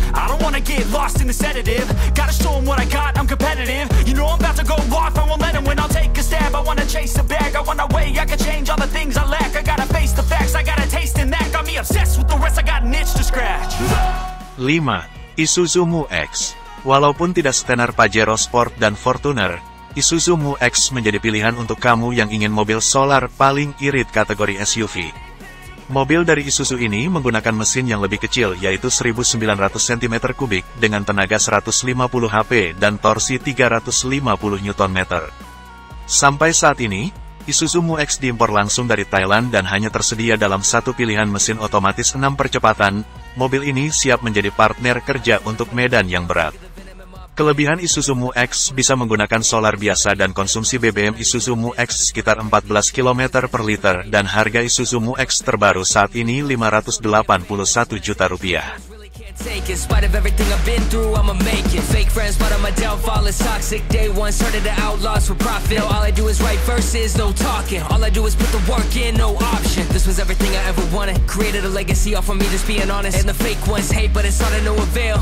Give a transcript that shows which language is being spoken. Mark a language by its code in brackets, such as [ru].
[en] I don't wanna get lost in the sedative. Gotta show them what I got, I'm competitive. You know I'm about to go off, I won't let them win. I'll take a stab, I wanna chase a bag. I wanna weigh, I can change all the things I lack. I gotta face the facts, I gotta taste in that. Got me obsessed with the rest, I got an itch to scratch. [id] 5. Isuzu MU-X. Walaupun tidak setenar Pajero Sport dan Fortuner, Isuzu MU-X menjadi pilihan untuk kamu yang ingin mobil solar paling irit kategori SUV. Mobil dari Isuzu ini menggunakan mesin yang lebih kecil yaitu 1900 cm3 dengan tenaga 150 HP dan torsi 350 Nm. Sampai saat ini, Isuzu MU-X diimpor langsung dari Thailand dan hanya tersedia dalam satu pilihan mesin otomatis 6 percepatan, mobil ini siap menjadi partner kerja untuk medan yang berat. Kelebihan Isuzu MU-X bisa menggunakan solar biasa dan konsumsi BBM Isuzu MU-X sekitar 14 km per liter dan harga Isuzu MU-X terbaru saat ini Rp581 juta. [en] take it. In spite of everything I've been through, I'ma make it. Fake friends, but I'm a downfall. It's toxic. Day one, started the outlaws for profit. Now all I do is write verses, no talking. All I do is put the work in, no option. This was everything I ever wanted. Created a legacy off of me, just being honest. And the fake ones hate, but it's all to no avail.